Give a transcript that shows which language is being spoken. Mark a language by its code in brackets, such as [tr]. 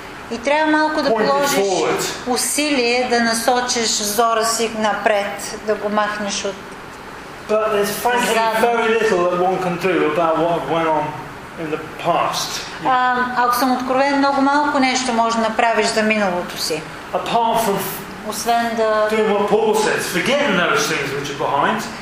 [bg] И трябва малко да положиш усилие да насочиш взора си напред, да го махнеш от [en] зрада. But there's frankly very little that one can do about what went on in the past. [bg] Ако съм откровен, много малко нещо може да направиш за миналото си. [en] Apart from [bg] Освен да [en] doing what Paul says, forgetting those things which are behind.